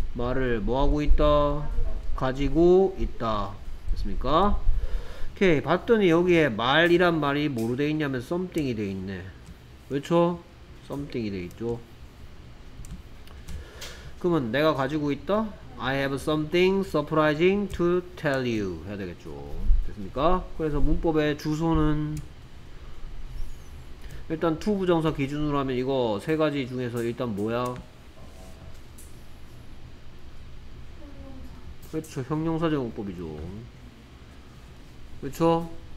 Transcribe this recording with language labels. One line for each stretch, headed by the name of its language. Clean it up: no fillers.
Korean: 말을 뭐하고 있다? 가지고 있다. 됐습니까? 오케이. 봤더니 여기에 말이란 말이 뭐로 돼 있냐면, something이 돼 있네. 그렇죠? something이 돼 있죠. 그러면 내가 가지고 있다?
English: I have something surprising to tell you
Korean: 해야 되겠죠. 됐습니까? 그래서 문법의 주소는 일단 to 부정사 기준으로 하면 이거 세 가지 중에서 일단 뭐야? 그렇죠. 형용사 제공법이죠. 그렇죠?